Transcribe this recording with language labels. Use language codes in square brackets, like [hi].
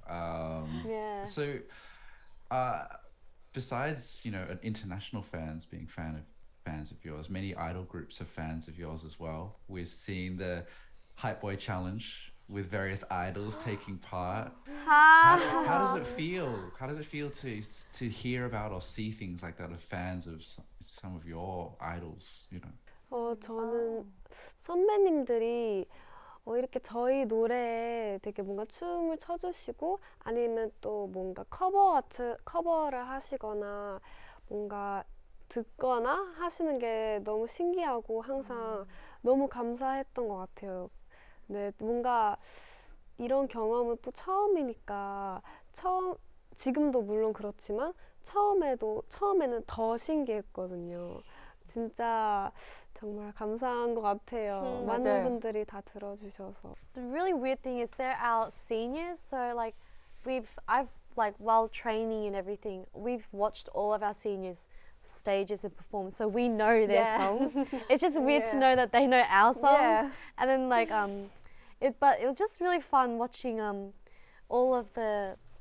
[en] So, besides, you know, international fans being fans of yours, many idol groups are fans of yours as well. We've seen the Hype Boy Challenge with various idols taking part. How does it feel? How does it feel to hear about or see things like that of fans of some of your idols, you know? [ko] 저는 선배님들이 이렇게 저희 노래에 되게 뭔가 춤을 춰주시고 아니면 또 뭔가 커버를 하시거나 뭔가 듣거나 하시는 게 너무 신기하고 항상 너무 감사했던 것 같아요. 네, 뭔가 이런 경험은 또 처음이니까 지금도 물론 그렇지만 처음에는 더 신기했거든요. 진짜 정말 감사한 것 같아요. 많은 분들이 다 들어주셔서. [en] The really weird thing is they're our seniors, so like I've while training and everything, we've watched all of our seniors' stages and perform, so we know their songs. It's just weird to know that they know our songs. Yeah. And then like it was just really fun watching all of the